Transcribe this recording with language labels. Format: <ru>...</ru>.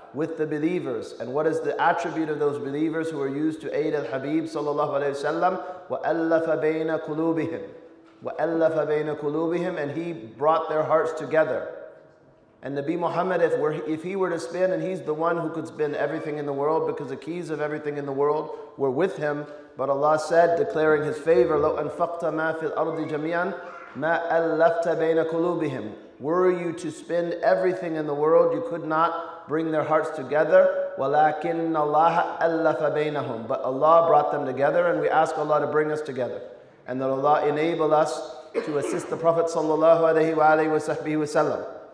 <en>With the believers. And what is the attribute of those believers who are used to aid al-Habib ﷺ?</en> <ar>وَأَلَّفَ بَيْنَ قُلُوبِهِمْ. وَأَلَّفَ بَيْنَ قُلُوبِهِمْ.</ar> <en>And he brought their hearts together. And Nabi Muhammad, if he were to spin, and he's the one who could spin everything in the world because the keys of everything in the world were with him. But Allah said, declaring his favor,</en> <ar>لَوْ أَنْفَقْتَ مَا فِي الْأَرْضِ جَمِيعًا مَا أَلَّفْتَ بَيْنَ قُلُوبِهِمْ.</ar> <en>Were you to spin everything in the world, you could not bring their hearts together.</en> <ar>وَلَكِنَّ اللَّهَ أَلَّفَ بَيْنَهُمْ.</ar> <en>But Allah brought them together, and we ask Allah to bring us together. And that Allah enable us to assist the Prophet sallallahu alayhi wa alayhi wa sallam.</en>